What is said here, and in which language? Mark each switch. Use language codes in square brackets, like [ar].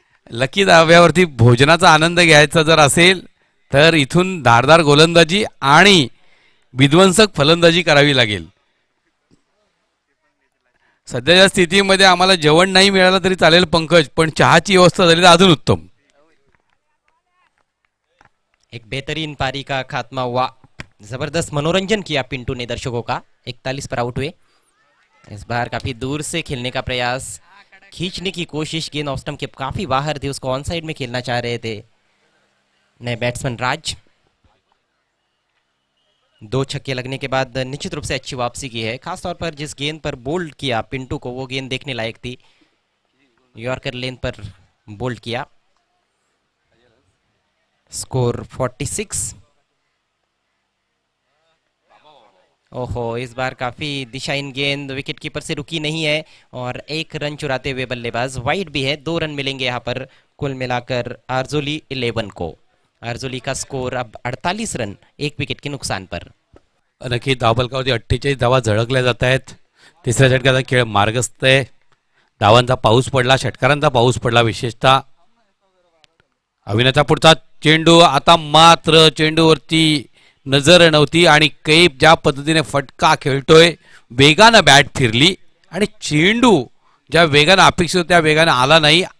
[mr] Lucky दाव्यावरती भोजनाचा आनंद घ्यायचा जर असेल तर इथून धारदार गोलंदाजी आणि विध्वंसक फलंदाजी करावी लागेल। सध्याच्या स्थितीमध्ये आम्हाला जेवण नाही मिळालं तरी चालेल पंकज, पण चहाची व्यवस्था झाली तर अजून उत्तम। [hi] एक बेहतरीन पारी का खात्मा, वा जबरदस्त मनोरंजन किया पिंटू ने दर्शकों का। 41 पर आउट हुए, इस बार काफी दूर से खेलने का प्रयास, खींचने की कोशिश, गेंद ऑफ स्टंप के काफी बाहर थी, उसको ऑन साइड में खेलना चाह रहे थे नए बैट्समैन राज। दो छक्के लगने के बाद निश्चित रूप से अच्छी वापसी की है, खासतौर पर जिस गेंद पर बोल्ड किया पिंटू को वो गेंद देखने लायक थी, यॉर्कर लेंथ पर बोल्ड किया। स्कोर 46। ओहो, इस बार काफी दिशाहीन गेंद, विकेट कीपर से रुकी नहीं है और एक रन चुराते हुए बल्लेबाज, वाइड भी है, 2 रन मिलेंगे यहाँ पर कुल मिलाकर आरजोली 11 को। अर्जोली का स्कोर अब 48 रन 1 विकेट के नुकसान पर। [mr] नक्की धावफलकावरती 48 धावा झळकल्या जात आहेत, तिसऱ्या षटकाचा खेळ मार्गस्थ आहे, धावांचा पाऊस पडला, षटकारांचा पाऊस पडला विशेषतः। अविनाचा पुढचा चेंडू, आता मात्र चेंडूवरती नजर नव्हती आणि कैप ज्या पद्धतीने फटका खेळतोय, वेगानं बॅट फिरली आणि चेंडू ज्या वेगानं अपेक्षित होता त्या वेगानं आला नाही।